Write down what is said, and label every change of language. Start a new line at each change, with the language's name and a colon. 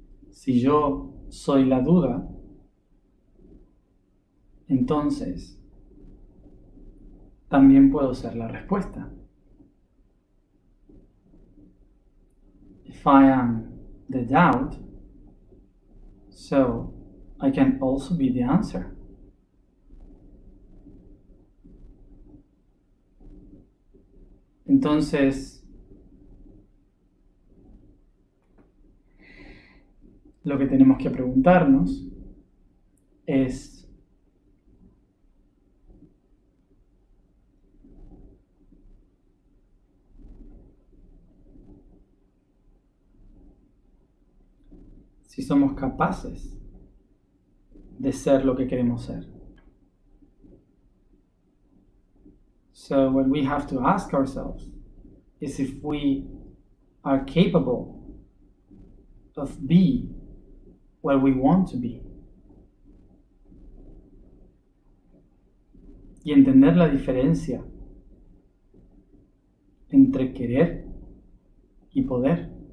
Spanish: Si yo soy la duda, entonces también puedo ser la respuesta.
English: If I am the doubt, so I can also be the answer.
Spanish: Entonces, lo que tenemos que preguntarnos es, si somos capaces de ser lo que queremos ser.
English: So what we have to ask ourselves is if we are capable of being what we want to be.
Spanish: Y entender la diferencia entre querer y poder.